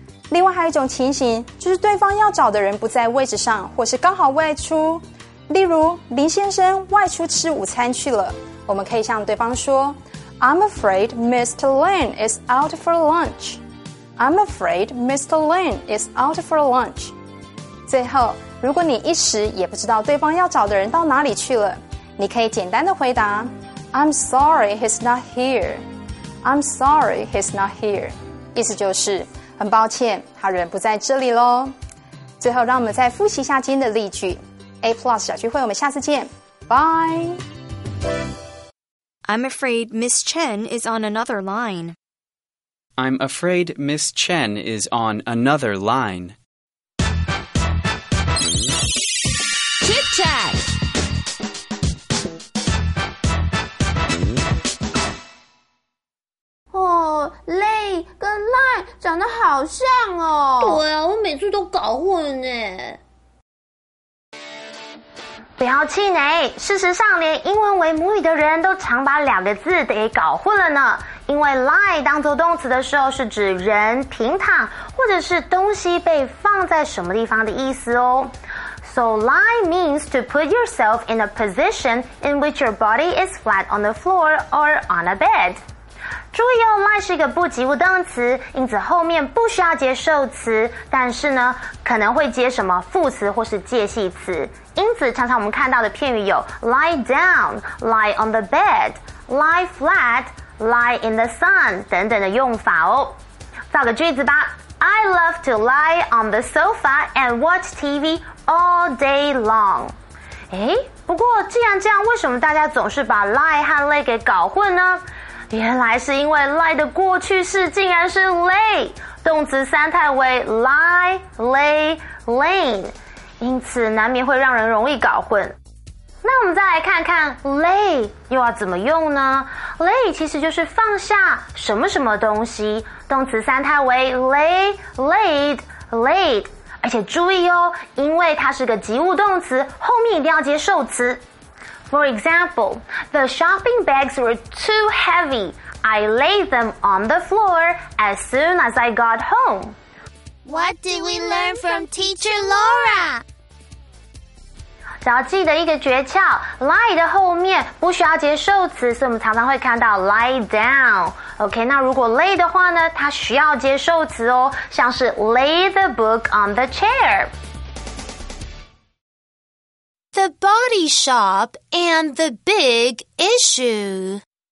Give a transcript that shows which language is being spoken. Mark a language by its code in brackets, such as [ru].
[zh] 另外还有一种情形，就是对方要找的人不在位置上或是刚好外出，例如林先生外出吃午餐去了，我们可以向对方说 [en] I'm afraid Mr. Lin is out for lunchI'm afraid Mr. Lin is out for lunch. [zh] 最后，如果你一时也不知道对方要找的人到哪里去了，你可以简单的回答 [en] I'm sorry he's not here. I'm sorry he's not here. [zh] 意思就是，很抱歉，他人不在这里咯。最后，让我们再复习一下今天的例句。A Plus 小聚会，我们下次见。 [en] Bye! I'm afraid Miss Chen is on another line. I'm afraid Miss Chen is on another line. Chit chat. [zh] Oh, lay 跟 line 长得好像哦。对啊，我每次都搞混耶。不要气馁，事实上连英文为母语的人都常把两个字给搞混了呢。因为 lie 当作动词的时候是指人平躺或者是东西被放在什么地方的意思哦。 [en] So lie means to put yourself in a position in which your body is flat on the floor or on a bed. [zh] 注意哦， lie 是一个不及物动词，因此后面不需要接受词，但是呢可能会接什么副词或是介系词。因此常常我们看到的片语有 [en] lie down, lie on the bed, lie flat,Lie in the sun [zh] 等等的用法哦。造个句子吧。 [en] I love to lie on the sofa and watch TV all day long。 [zh] 诶，不过既然这样，为什么大家总是把 lie 和 lay 给搞混呢？原来是因为 lie 的过去式竟然是 lay， 动词三态为 [en] lie, lay, lain， [zh] 因此难免会让人容易搞混。那我们再来看看 lay 又要怎么用呢？ lay 其实就是放下什么什么东西，动词三态为 [en] lay, laid, laid。 [zh] 而且注意哦，因为它是个及物动词，后面一定要接受词。 [en] For example, the shopping bags were too heavy. I laid them on the floor as soon as I got home. What did we learn from teacher Laura? [zh] 只要记得一个诀窍， lie 的后面不需要接受词，所以我们常常会看到 [en] lie down。 [zh] OK， 那如果 lay 的话呢，它需要接受词哦，像是 [en] lay the book on the chair。 The body shop and the big issue。